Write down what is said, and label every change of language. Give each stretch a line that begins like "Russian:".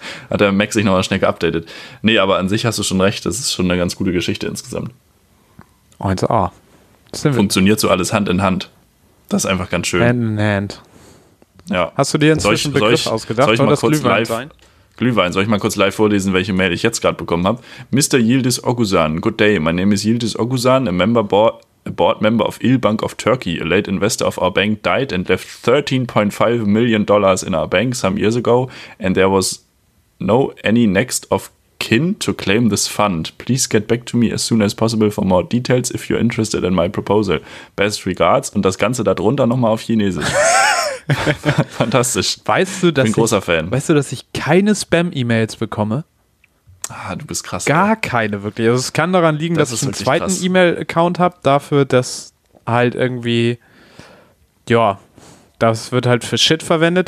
German: Hat der Mac sich nochmal schnell geupdatet. Nee, aber an sich hast du schon recht, das ist schon eine ganz gute Geschichte insgesamt. 1A. Funktioniert so alles Hand in Hand. Das ist einfach ganz schön. Hand in Hand. Ja. Hast du dir inzwischen einen Begriff ausgedacht? Soll ich mal kurz Glühwein, soll ich mal kurz live vorlesen, welche Mail ich jetzt gerade bekommen habe?
English: Mr. Yildiz Oguzhan, good day, my name is Yildiz Oguzhan, a board member of Il Bank of Turkey, a late investor of our bank, died and left $13.5 million in our bank some years ago, and there was no any next of kin to claim this fund. Please get back to me as soon as possible for more details if you're interested in my proposal. Best regards,
German: und das Ganze da drunter nochmal auf Chinesisch. Fantastisch. Weißt du, dass ich keine Spam-E-Mails bekomme? Ah, du bist krass. Gar keine, wirklich. Also es kann daran liegen, dass ich einen zweiten krass. E-Mail-Account habe, dafür, dass halt irgendwie, ja, das wird halt für Shit verwendet.